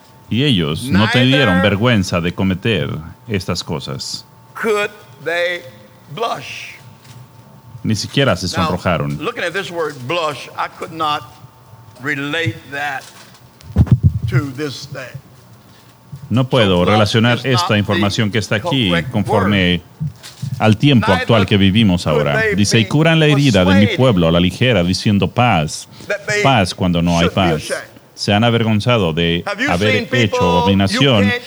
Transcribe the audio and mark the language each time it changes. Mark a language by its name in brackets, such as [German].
[Spanish] Y ellos no tuvieron vergüenza de cometer estas cosas. [English] Could they blush? [Spanish] Ni siquiera se sonrojaron. [English] Now, looking at this word blush, I could not relate that to this day. [Spanish] No puedo relacionar esta información que está aquí conforme al tiempo actual que vivimos ahora. Dice, y curan la herida de mi pueblo a la ligera, diciendo paz, paz cuando no hay paz. Se han avergonzado de haber hecho abominación.